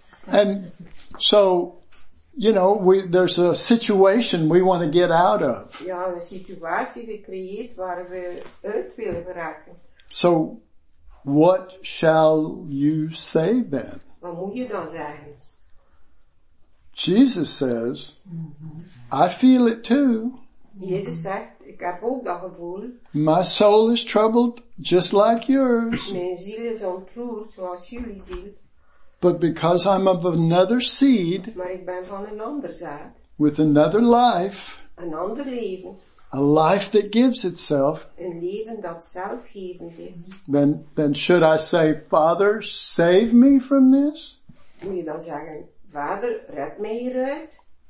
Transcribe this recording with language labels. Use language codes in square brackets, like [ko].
[en] And so, you know, there's a situation we want to get out of. [nl] Ja, een situatie gecreëerd waar we uit willen geraken. [en] So, what shall you say then? [nl] Wat moet je dan zeggen? [en] Jesus says, I feel it too. [nl] Jezus zegt, ik heb ook dat gevoel. [en] My soul is troubled just like yours. [nl] Mijn ziel is ontroerd zoals jullie ziel. [en] But because I'm of another seed. [nl] Maar ik ben van een ander zaad. [en] With another life. [nl] Een ander leven. [en] A life that gives itself. [nl] Een leven dat zelfgevend is. [en] Then should I say, Father, save me from this? [nl] Moet je dan zeggen, Vader, red mij hieruit?